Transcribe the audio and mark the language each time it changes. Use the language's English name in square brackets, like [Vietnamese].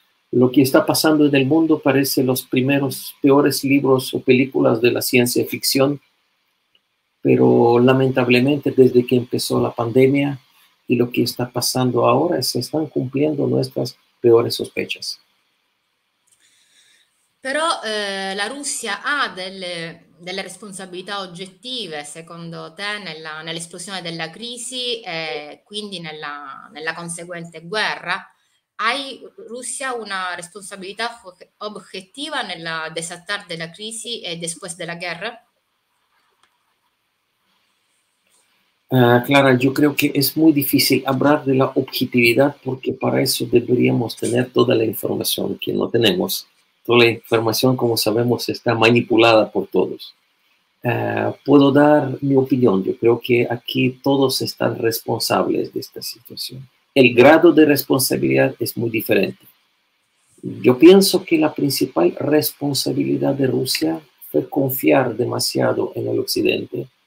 [Spanish] Lo que está pasando en el mundo parece los primeros, peores libros o películas de la ciencia ficción, pero lamentablemente desde que empezó la pandemia y lo que está pasando ahora, se están cumpliendo nuestras peores sospechas. [Italian] Però la Russia ha delle responsabilità oggettive, secondo te, nell'esplosione della crisi e quindi nella conseguente guerra? Hai Russia una responsabilità obiettiva nel desattare della crisi e después della guerra? Clara, io credo che è molto difficile parlare della obiettività perché per questo dovremmo avere tutta la informazione che non abbiamo. [Spanish] Toda la información, como sabemos, está manipulada por todos. Puedo dar mi opinión. Yo creo que aquí todos están responsables de esta situación. El grado de responsabilidad es muy diferente. Yo pienso que la principal responsabilidad de Rusia fue confiar demasiado en el Occidente.